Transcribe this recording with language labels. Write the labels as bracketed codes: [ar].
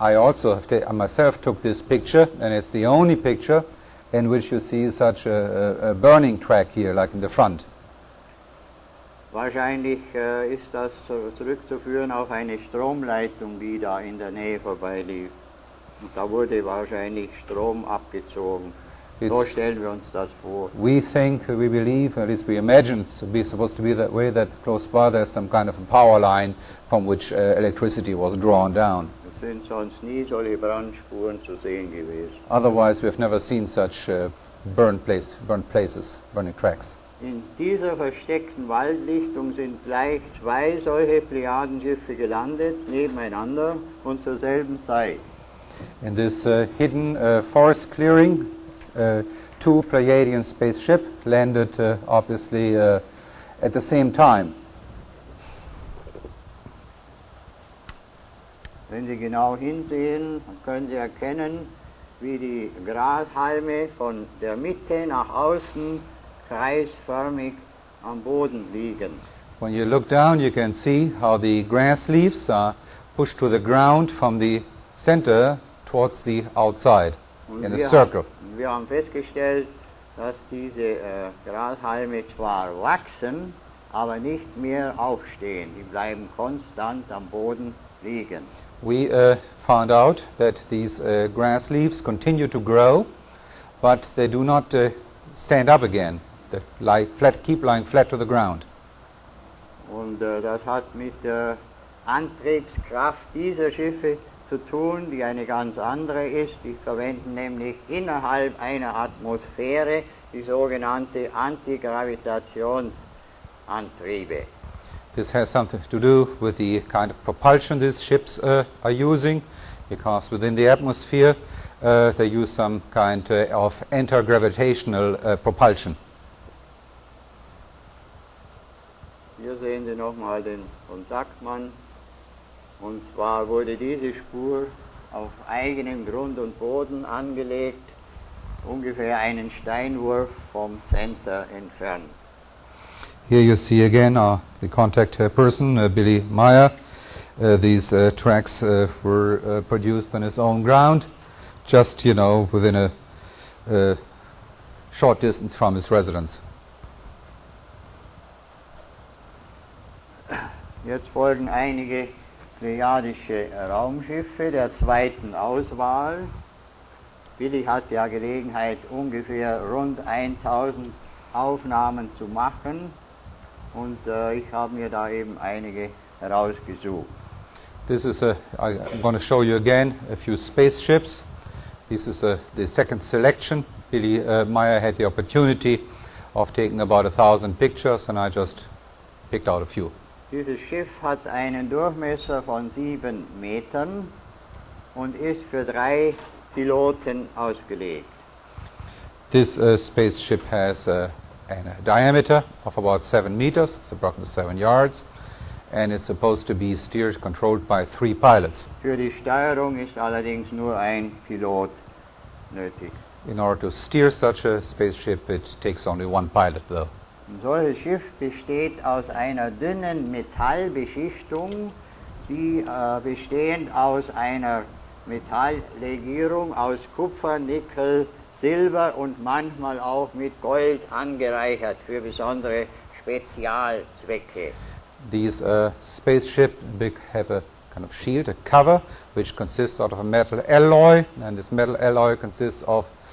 [en] I myself took this picture, and it's the only picture in which you see such a burning track here, like in the front. [de] Wahrscheinlich ist das zurückzuführen auf eine Stromleitung, die da in der Nähe vorbeilief. Und da wurde wahrscheinlich Strom abgezogen. So stellen wir uns das vor. [en] We imagine it's supposed to be that way, that close by there's some kind of a power line from which electricity was drawn down. [de] Sind sonst nie solche Brandspuren zu sehen gewesen. [en] Otherwise, we've never seen such burned places, burning tracks. [de] In dieser versteckten Waldlichtung sind gleich 2 solche Plejadenschiffe gelandet, nebeneinander und zur selben Zeit. [en] In this hidden forest clearing, 2 Pleiadian spaceship landed obviously at the same time. [de] Wenn Sie genau hinsehen, können Sie erkennen, wie die Grashalme von der Mitte nach außen kreisförmig am Boden liegen. [en] When you look down, you can see how the grass leaves are pushed to the ground from the center towards the outside in a circle. [de] Wir haben festgestellt, dass diese Grashalme zwar wachsen, aber nicht mehr aufstehen. Die bleiben konstant am Boden liegen. [en] We found out that these grass leaves continue to grow, but they do not stand up again. They lie flat, keep lying flat to the ground. [de] Und das hat mit der Antriebskraft dieser Schiffe zu tun, die eine ganz andere ist. Die verwenden nämlich innerhalb einer Atmosphäre die sogenannte Antigravitationsantriebe. [en] This has something to do with the kind of propulsion these ships are using, because within the atmosphere they use some kind of anti-gravitational propulsion. [de] Hier sehen Sie nochmal den Kontaktmann. Und zwar wurde diese Spur auf eigenem Grund und Boden angelegt, ungefähr einen Steinwurf vom Center entfernt. [en] Here you see again the contact person, Billy Meyer. These tracks were produced on his own ground, just, you know, within a short distance from his residence. [de] Jetzt folgen einige plejadische Raumschiffe der zweiten Auswahl. Billy hatte ja Gelegenheit, ungefähr rund 1000 Aufnahmen zu machen. Und ich habe mir da eben einige herausgesucht. [en] This is I'm going to show you again a few spaceships. This is the second selection. Billy Meyer had the opportunity of taking about 1000 pictures and I just picked out a few. [de] Dieses Schiff hat einen Durchmesser von 7 Metern und ist für 3 Piloten ausgelegt. [en] This spaceship has and a diameter of about 7 meters, it's approximately 7 yards, and it's supposed to be steered, controlled by 3 pilots. [de] Für die Steuerung ist allerdings nur ein Pilot nötig. [en] In order to steer such a spaceship, it takes only 1 pilot, though. [de] Ein solches Schiff besteht aus einer dünnen Metallbeschichtung, die bestehend aus einer Metalllegierung aus Kupfer, Nickel, Silber und manchmal auch mit Gold angereichert für besondere Spezialzwecke. [en] These spaceships have a kind of shield, a cover, which consists out of a metal alloy, and this metal alloy consists of